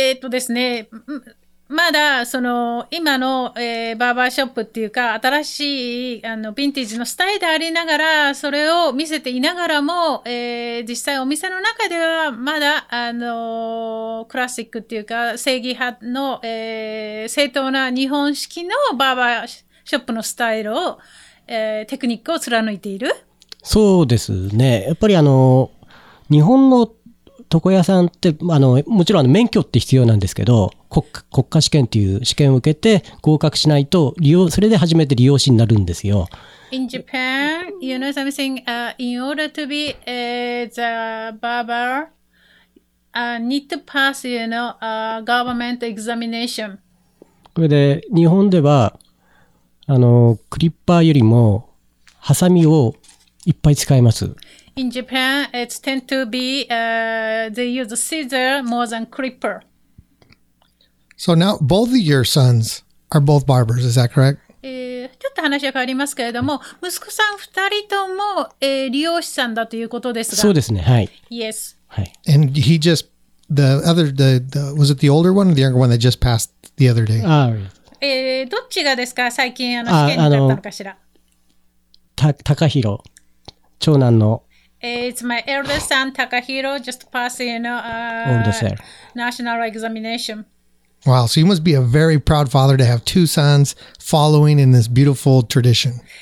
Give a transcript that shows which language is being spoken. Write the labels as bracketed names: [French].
[Japanese] ですね、まだその今の、バーバーショップっていうか新しいヴィンテージのスタイルでありながらそれを見せていながらも、実際お店の中ではまだクラシックっていうか正義派の、正当な日本式のバーバーショップのスタイルを、テクニックを貫いている。そうですね、やっぱり日本の床屋さんってもちろん免許って必要なんですけど、国家試験っていう試験を受けて合格しないと利用、それで初めて理容師になるんですよ。 [English] In Japan, you know something, in order to be the barber, need to pass, you know, government examination. [Japanese] これで日本ではクリッパーよりもハサミをいっぱい使います。 [English] In Japan, it tend to be they use scissor more than clipper. So now both of your sons are both barbers, is that correct? [Japanese] ちょっと話は変わりますけれども、息子さん2人とも、理容師さんだということですが。そうですね、はい。 [English] Yes. [Japanese] はい。 [English] And he just the other was it the older one or the younger one that just passed the other day? [Japanese] どっちがですか、最近試験になったのかしら。高弘、長男の。 [English] It's my eldest son, Takahiro, just passed, national examination. Wow, so you must be a very proud father to have two sons following in this beautiful tradition.